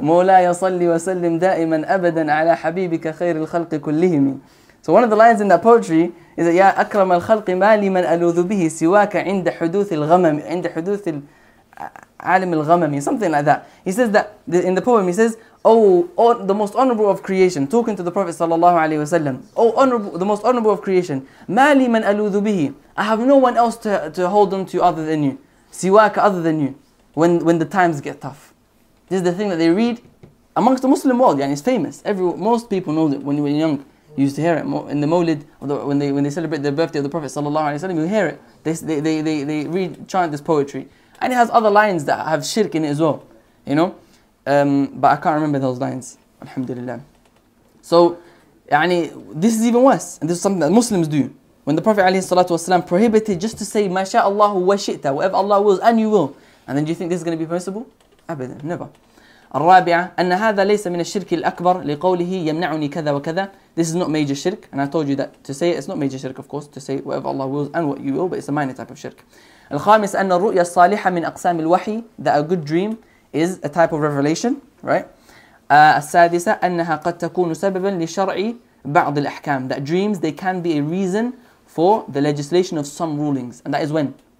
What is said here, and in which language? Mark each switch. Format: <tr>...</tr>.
<ar>مولاي صلي وسلم دائما أبدا على حبيبك خير الخلق كلهم.</ar> <en>So one of the lines in that poetry is that</en> <ar>يَا أَكْرَمَ الْخَلْقِ مَا لِمَنْ أَلُوذُ بِهِ سِوَاكَ عِنْدَ حُدُوثِ الْغَمَمِ عِنْدَ حُدُوثِ الْعَالِمِ الْغَمَمِ.</ar> <en>Something like that. He says that in the poem, he says, oh, the most honorable of creation, talking to the Prophet sallallahu alaihi wasallam. Oh, honorable, the most honorable of creation.</en> <ar>مَا لِمَنْ أَلُوذُ بِهِ.</ar> <en>I have no one else to hold on to other than you. سِوَاكَ other than you. When the times get tough. This is the thing that they read amongst the Muslim world. Yani it's famous. Most people know it when you were young. You used to hear it in the Mawlid, when they celebrate the birthday of the Prophet sallallahu alaihi wasallam. You hear it. They read, chant this poetry, and it has other lines that have shirk in it as well. You know, but I can't remember those lines. Alhamdulillah. So, يعني, this is even worse, and this is something that Muslims do. When the Prophet alaihi salatu wasallam prohibited just to say masha Allahu wa shi'ta, whatever Allah wills and you will, and then do you think this is going to be permissible? Abadan, never.</en> <ar>الرابعة أن هذا ليس من الشرك الأكبر لقوله يمنعني كذا وكذا.</ar> <en>This is not major shirk, and I told you that to say it, it's not major shirk, of course, to say whatever Allah wills and what you will, but it's a minor type of shirk.</en> <ar>الخامس أن الرؤيا الصالحة من أقسام الوحي,</ar> <en>that a good dream is a type of revelation, right?</en> <ar>السادسة أنها قد تكون سببا لشرع بعض الأحكام,</ar> <en>that dreams, they can be a reason for the legislation of some rulings, and that is when?</en>